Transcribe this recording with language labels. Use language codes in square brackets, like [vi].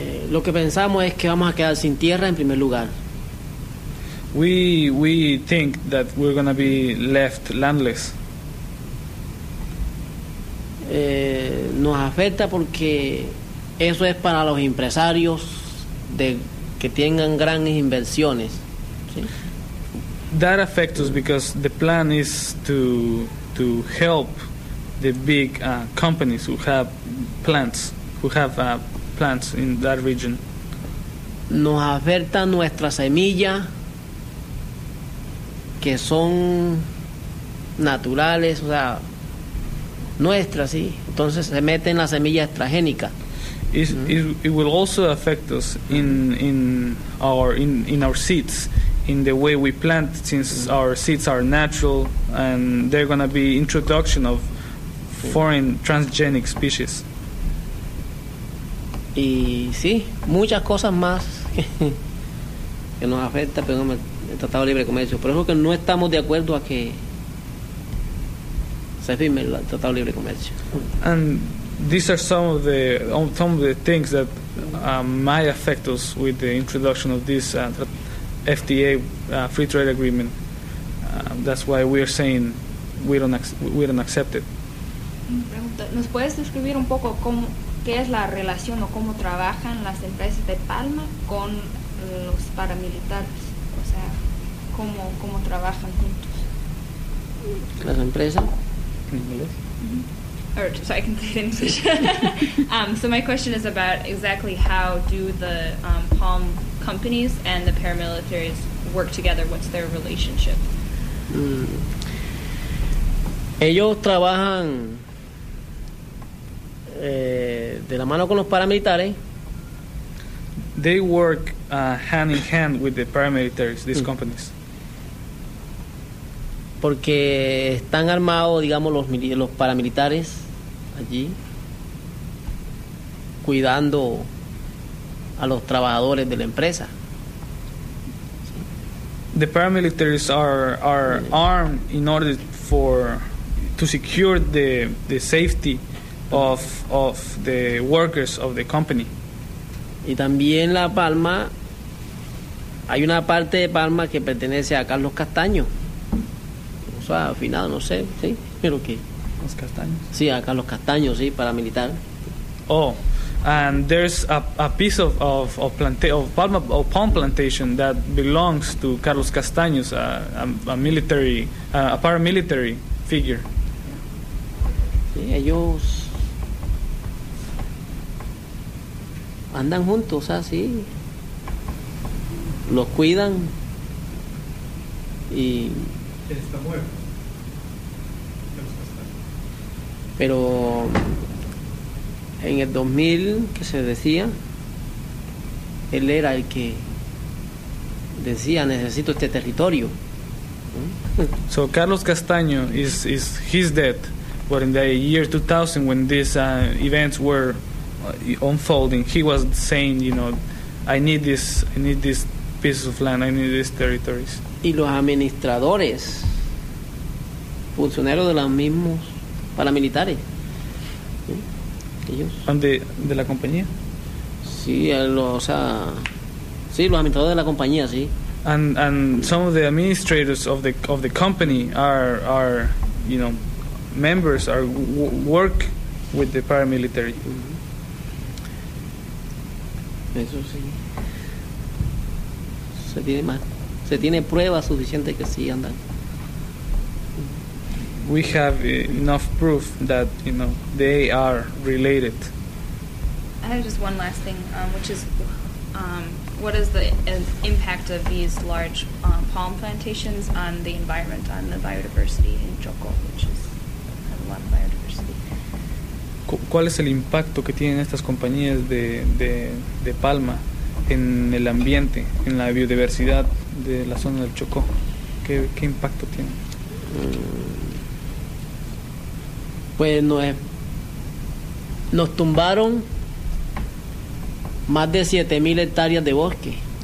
[es] Lo que pensamos es que vamos a quedar sin tierra en primer lugar. [en] We think that we're going to be left landless. [es] Nos afecta porque eso es para los empresarios de que tengan grandes inversiones, ¿sí? [en] That affects us because the plan is to help the big companies who have plants, plants in that region. [es] Nos afecta nuestra semilla, que son naturales, o sea, nuestras, sí. Entonces se mete en la semilla estragénica. [en] It will also affect us in our seeds, in the way we plant, since our seeds are natural and they're gonna be introduction of foreign transgenic species. [es] Y sí, muchas cosas más que nos afecta, pero el Tratado de Libre Comercio. Por eso que no estamos de acuerdo a que se firme el Tratado de Libre Comercio. [en] And these are some of the things that might affect us with the introduction of this FTA, Free Trade Agreement. That's why we are saying we don't accept it. [es] ¿Nos puedes describir un poco cómo, qué es la relación o cómo trabajan las empresas de Palma con los paramilitares? O sea, ¿cómo trabajan juntos? ¿Las empresas? ¿En inglés? Uh-huh. [en] or so I can say it in English. So my question is about exactly how do the POM companies and the paramilitaries work together? What's their relationship? [es] Ellos trabajan de la mano con los paramilitares. [en] They work hand in hand with the paramilitaries, these companies. [es] Porque están armados, digamos, los paramilitares allí, cuidando a los trabajadores de la empresa. [en] The paramilitaries are armed in order to secure the safety of the workers of the company. [es] Y también La Palma, hay una parte de Palma que pertenece a Carlos Castaño. O sea, al final, no sé, ¿sí? ¿Pero qué? Los Castaños. Sí, a Carlos Castaño, sí, paramilitar. [en] Oh, and there's a piece of palm plantation that belongs to Carlos Castaños, a paramilitary figure. [es] Sí, ellos andan juntos, o sea, sí. Los cuidan. Y él está muerto. Pero en el 2000, que se decía, él era el que decía, necesito este territorio. [en] So Carlos Castaño is his dead, but in the year 2000, when these events were unfolding, he was saying, you know, I need this piece of land, I need these territories. [es] Y los administradores, funcionarios de los mismos paramilitares, ellos. ¿De la compañía? Sí, los administradores de la compañía, sí. [en] And some of the administrators of the company are, you know, members are work with the paramilitary. Mm-hmm. [es] Eso sí. Se tiene prueba suficiente que sí andan. [en] We have enough proof that, you know, they are related. I have just one last thing, which is, what is the impact of these large palm plantations on the environment, on the biodiversity in Chocó, which is a lot of biodiversity? [es] ¿Cuál es el impacto que tienen estas compañías de palma en el ambiente, en la biodiversidad de la zona del Chocó? ¿Qué impacto tienen? Pues nos tumbaron más de 7,000 hectáreas de bosque.